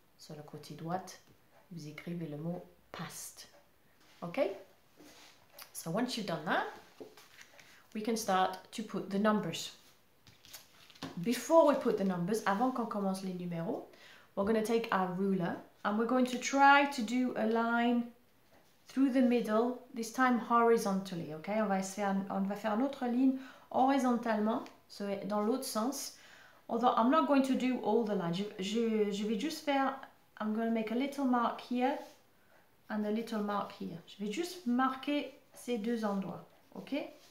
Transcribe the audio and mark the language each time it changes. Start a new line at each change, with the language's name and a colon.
French: Sur le côté droite, vous écrivez le mot past.
English: Okay? So once you've done that, we can start to put the numbers. Before we put the numbers,
French: avant qu'on commence les numéros,
English: we're going to take our ruler and we're going to try to do a line through the middle, this time horizontally, okay?
French: On va faire une autre ligne horizontalement, so dans l'autre sens.
English: Although I'm not going to do all the lines. I'm going to make a little mark here and a little mark here.
French: Je vais juste marquer ces deux endroits, okay?